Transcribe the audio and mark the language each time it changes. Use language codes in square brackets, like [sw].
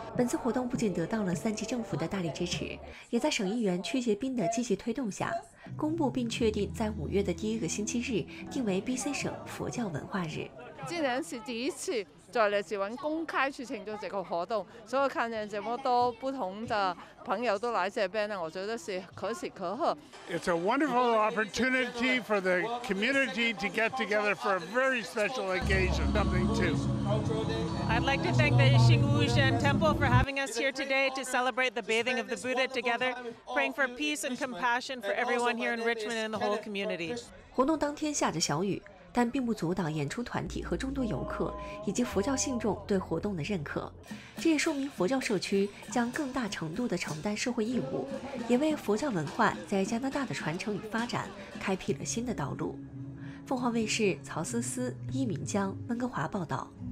[zh] 本次活动不仅得到了三级政府的大力支持，也在省议员曲杰斌的积极推动下，公布并确定在五月的第一个星期日定为 BC 省佛教文化日。今年是第一次在列治文公开去庆祝这个活动，所以看见这么多不同的朋友都来这边呢，我觉得是可喜可贺。 [en] It's a wonderful opportunity for the community to get together for a very special occasion. Something too. I'd like to thank the Xingwu Shen Temple for having us here today to celebrate the bathing of the Buddha together, praying for peace and compassion for everyone here in Richmond and the whole community. [zh] 活动当天下着小雨。但并不阻挡演出团体和众多游客以及佛教信众对活动的认可，这也说明佛教社区将更大程度地承担社会义务，也为佛教文化在加拿大的传承与发展开辟了新的道路。凤凰卫视曹思思、伊敏江、温哥华报道。